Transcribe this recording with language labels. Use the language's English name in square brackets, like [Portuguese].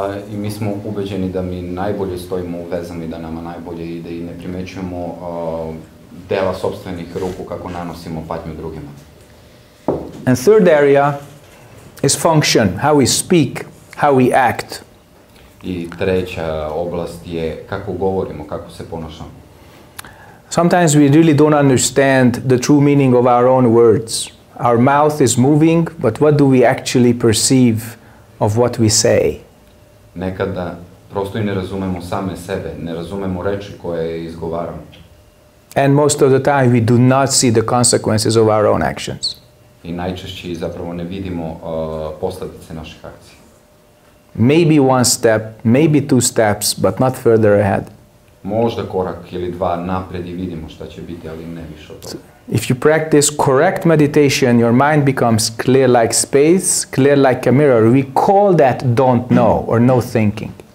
[Serbian] I mi smo ubeđeni da mi najbolje stojimo u vezama i da nama najbolje ide i ne primećujemo dela sopstvenih ruku kako nanosimo patnju drugima. [English] And third area is function, how we speak, how we act. [Serbian] I treća oblast je kako govorimo, kako se ponašamo. [English] Sometimes we really don't understand the true meaning of our own words. Our mouth is moving, but what do we actually perceive of what we say? [Serbian] Nekada prosto i ne razumemo same sebe, ne razumemo reči koje izgovaramo. [English] And most of the time we do not see the consequences of our own actions. [Serbian] I najčešće zapravo ne vidimo posledice naših akcija. [English] Maybe one step, maybe two steps, but not further ahead. [Serbian] Možda korak ili dva napred i vidimo šta će biti, ali ne više od toga. [English] So, if you practice correct meditation, your mind becomes clear like space, clear like a mirror. We call that don't know or no thinking.